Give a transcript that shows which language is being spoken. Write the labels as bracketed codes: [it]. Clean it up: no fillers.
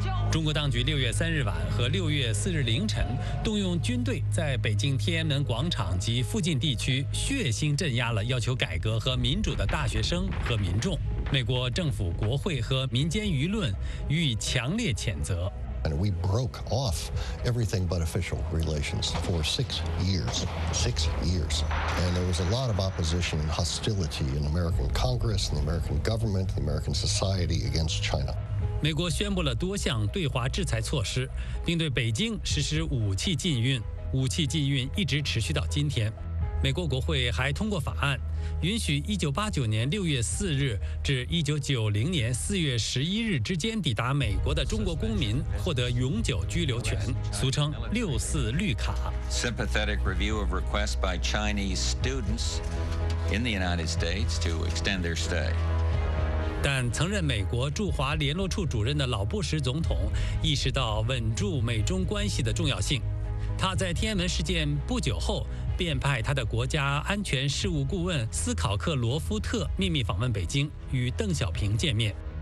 [zh] 中国当局6月3日晚和6月4日凌晨动用军队在北京天安门广场及附近地区血腥镇压了要求改革和民主的大学生和民众。美国政府、国会和民间舆论予以强烈谴责。 [en] And we broke off everything but official relations for 6 years. 6 years. And there was a lot of opposition and hostility in American Congress, in the American government, in the American society against China. [zh] 美国宣布了多项对华制裁措施，并对北京实施武器禁运。武器禁运一直持续到今天。美国国会还通过法案，允许1989年6月4日至1990年4月11日之间抵达美国的中国公民获得永久居留权，俗称六四绿卡。 [en] Sympathetic review of requests by Chinese students in the United States to extend their stay. [zh] 但曾任美国驻华联络处主任的老布什总统意识到稳住美中关系的重要性，他在天安门事件不久后便派他的国家安全事务顾问斯考克罗夫特秘密访问北京，与邓小平见面。